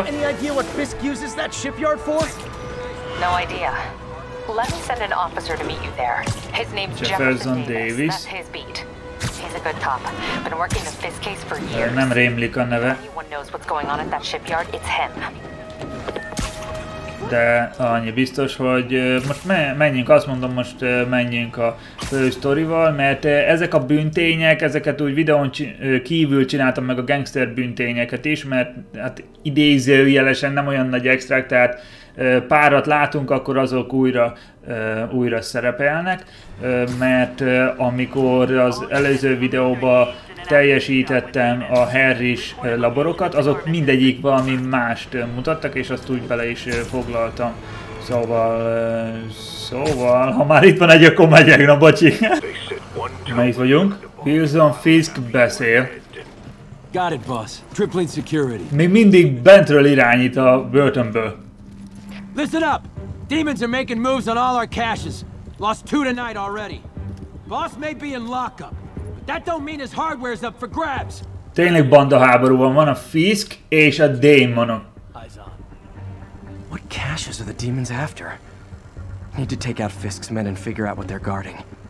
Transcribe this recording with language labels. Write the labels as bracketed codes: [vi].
[en] Any idea what Fisk uses that shipyard for? No idea. Let me send an officer to meet you there. His name's Jefferson Davis. That's his beat. He's a good cop. Been working the Fisk case for years. [hu] Nem rémlik a neve. [en] Anyone knows what's going on at that shipyard, it's him. [hu] De annyi biztos, hogy most menjünk, azt mondom, most menjünk a fő sztorival, mert ezek a büntények, ezeket úgy videón kívül csináltam meg a gangster büntényeket is, mert hát idézőjelesen nem olyan nagy extrakt, tehát párat látunk, akkor azok újra szerepelnek, mert amikor az előző videóban teljesítettem a Harris laborokat, azok mindegyik valami mást mutattak, és azt úgy bele is foglaltam. Szóval, ha már itt van egy, akkor megyek, na bocsi. Melyik vagyunk? Wilson Fisk beszél. [en] Got it, boss. Tripling security. [hu] Még mindig bentről irányít a börtönből. [en] Listen up! Demons are making moves on all our caches. Lost two tonight already. Boss may be in lockup. That don't mean his hardware's up for grabs. [hu] Tényleg banda háborúban van a Fisk és a démonok. [en] What caches are the demons after? Need to take out Fisk's men and figure out what they're guarding.